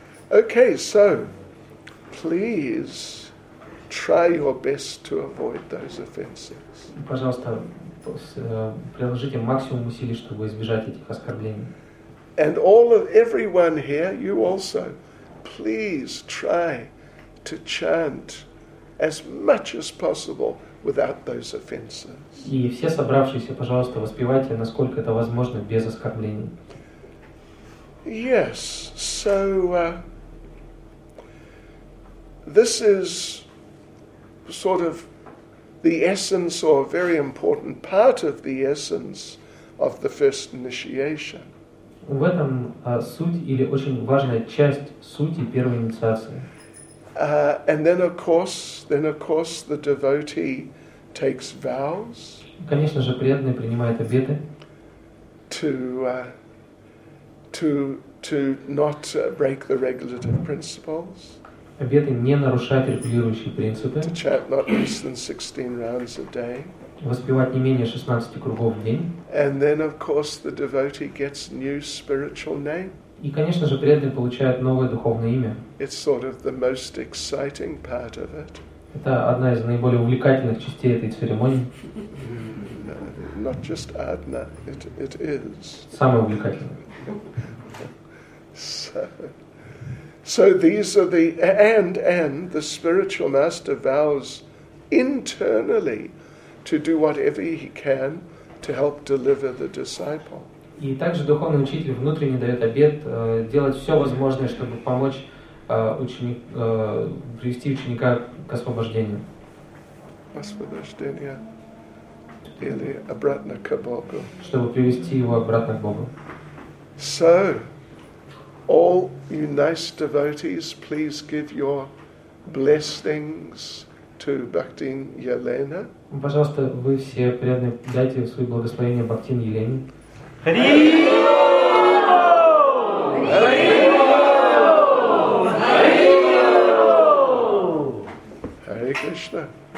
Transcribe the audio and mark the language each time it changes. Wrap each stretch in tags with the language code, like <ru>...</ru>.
<en>Okay, so please try your best to avoid those offenses.</en> <ru>Пожалуйста, приложите максимум усилий, чтобы избежать этих оскорблений.</ru> <en>And all of everyone here, you also, please try to chant as much as possible without those offenses.</en> <ru>И все собравшиеся, пожалуйста, воспевайте, насколько это возможно, без оскорблений.</ru> <en>Yes, so this is sort of the essence or a very important part of the essence of the first initiation.</en> <ru>В этом суть или очень важная часть сути первой инициации.</ru> <en>And then of course the devotee takes vows.</en> <ru>Конечно же, преданный принимает обеты.</ru> <en>To not break the regulative principles.</en> <ru>Обеты не нарушать регулирующие принципы.</ru> <en>To chant not less than 16 rounds a day.</en> <ru>Воспевать не менее 16 кругов в день.</ru> <en>And then, of course, the devotee gets new spiritual name.</en> <ru>И, конечно же, преданный получает новое духовное имя.</ru> <en>It's sort of the most exciting part of it.</en> <ru>Это одна из наиболее увлекательных частей этой церемонии.</ru> <en>Not just</en> <ru>одна,</ru> <en>it is.</en> <ru>Самое увлекательное.</ru> <en>So these are the and the spiritual master vows internally to do whatever he can to help deliver the disciple.</en> <ru>И также духовный учитель внутренне дает обет делать все возможное, чтобы помочь привести ученика к освобождению. Освобождение. Или обратно к Богу. Чтобы привести его обратно к Богу.</ru> <en>So, all you nice devotees, please give your blessings to Bhaktin Yelena.</en> <ru>Пожалуйста, вы все преданные, дайте свои благословения Бхактин Елене.</ru> <sa>Hare Krishna.</sa>